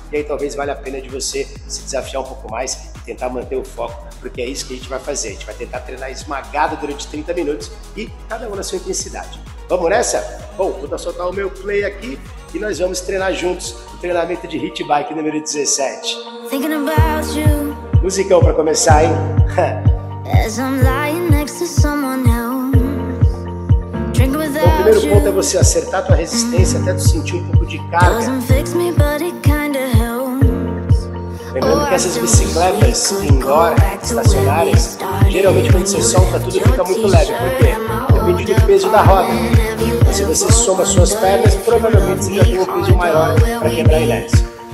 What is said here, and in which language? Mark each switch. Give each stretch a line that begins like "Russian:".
Portuguese: E aí talvez valha a pena de você se desafiar um pouco mais e tentar manter o foco, porque é isso que a gente vai fazer. A gente vai tentar treinar esmagado durante 30 minutos e cada um na sua intensidade. Vamos nessa? Bom, vou soltar o meu play aqui. E nós vamos treinar juntos o treinamento de HIIT Bike número 17.
English: Thinking about you.
Portuguese: Musicão pra começar, hein?
English: As I'm lying next to someone else. Drinking without you.
Portuguese: O primeiro ponto é você acertar a tua resistência até tu sentir um pouco de carga.
English: Doesn't fix me, but it kinda helps.
Portuguese: Lembrando que essas bicicletas indoor, estacionárias, geralmente quando você solta tudo fica muito leve. Por quê? Depende do peso da roda. Se você soma suas pernas, provavelmente você já tem um peso maior para quebrar a inércia.